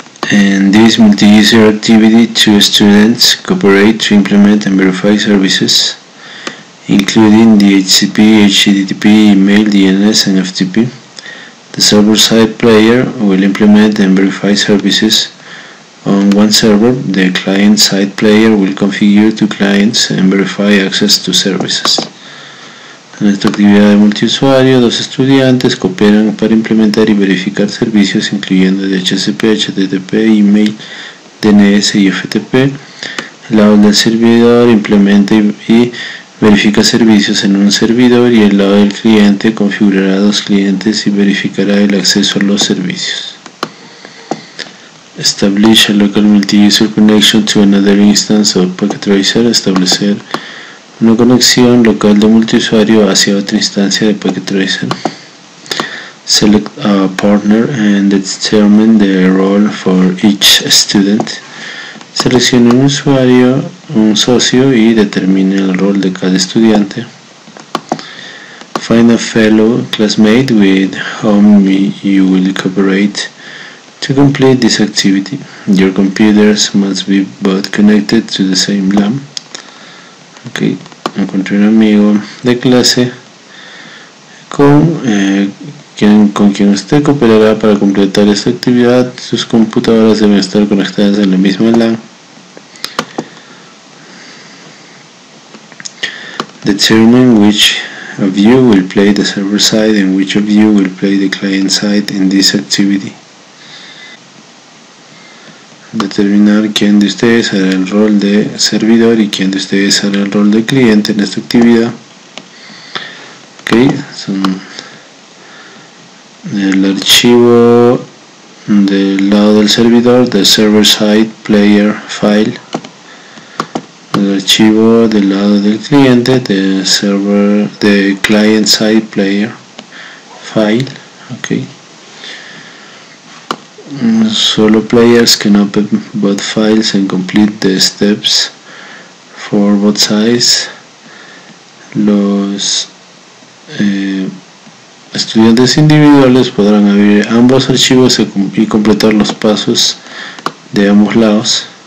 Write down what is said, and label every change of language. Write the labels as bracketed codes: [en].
[en] And this multi-user activity to students cooperate to implement and verify services including the HTTP, HTTP, email, DNS, and FTP. The server-side player will implement and verify services on one server. The client-side player will configure to clients and verify access to services. [es] En esta actividad de multiusuario, dos estudiantes cooperan para implementar y verificar servicios incluyendo DHCP, HTTP, email, DNS y FTP. El lado del servidor implementa y verifica servicios en un servidor y el lado del cliente configurará dos clientes y verificará el acceso a los servicios. [en] Establish a local multi-user connection to another instance of Packet Tracer. [es] Establecer una conexión local de multiusuario hacia otra instancia de Packet Tracer. [en] Select a partner and determine the role for each student. [es] Seleccione un usuario, un socio y determine el rol de cada estudiante. [en] Find a fellow classmate with whom you will cooperate to complete this activity. Your computers must be both connected to the same LAN. Okay. [es] Encontré un amigo de clase con quien usted cooperará para completar esta actividad. Sus computadoras deben estar conectadas en la misma LAN. [en] Determine which of you will play the server side and which of you will play the client side in this activity. [es] Determinar quién de ustedes hará el rol de servidor y quién de ustedes hará el rol de cliente en esta actividad. Ok, son el archivo del lado del servidor, [en] the server side player file. [es] El archivo del lado del cliente, [en] the server, the client side player file. Ok. Solo players can open both files and complete the steps for both sides. [es] Los estudiantes individuales podrán abrir ambos archivos y completar los pasos de ambos lados.